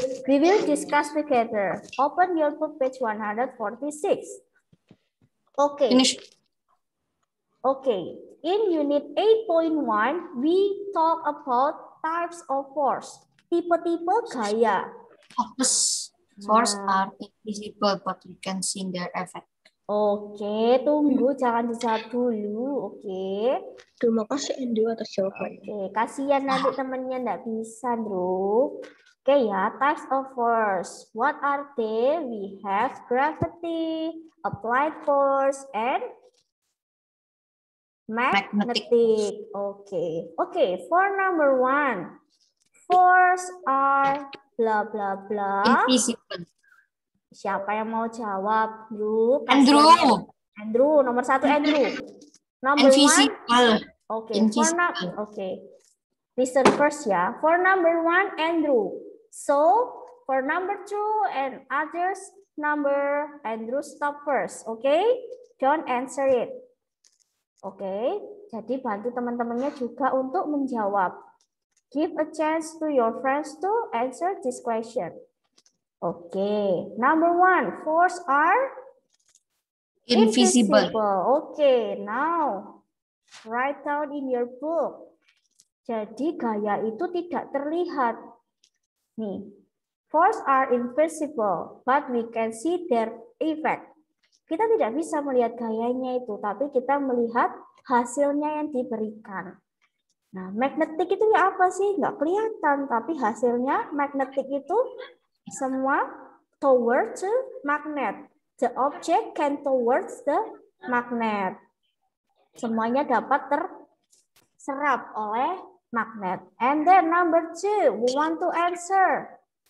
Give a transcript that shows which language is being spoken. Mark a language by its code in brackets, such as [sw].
[en] We will discuss together. Open your book page 146. Oke. Okay. In unit 8.1, we talk about types of force. [id] Tipe-tipe gaya. [en] Force are invisible, but we can see their effect. [id] Oke, tunggu, jangan dijawab dulu, oke? Terima kasih Andrew atas jawabannya. Oke, kasihan nanti temennya nggak bisa, bro. [en] Oke ya, types of force. What are they? We have gravity, applied force, and magnetic. Oke. For number one, force are blah blah blah. Invisible. [id] Siapa yang mau jawab, Bro? Andrew, nomor satu [en] Andrew. Number one. Okay. Mr. First ya. For number one, Andrew. So, for number two and others, number Andrew stop first, okay? Don't answer it. Okay. [id] Jadi bantu teman-temannya juga untuk menjawab. [en] Give a chance to your friends to answer this question. Okay, number one, force are invisible. Okay, now write down in your book. [id] Jadi gaya itu tidak terlihat. [en] Nih, force are invisible, but we can see their effect. [id] Kita tidak bisa melihat gayanya itu, tapi kita melihat hasilnya yang diberikan. Nah, magnetik itu ya apa sih? Nggak kelihatan, tapi hasilnya magnetik itu semua [en] towards the magnet. The object can towards the magnet. [id] Semuanya dapat terserap oleh magnet. [en] And then number two, we want to answer.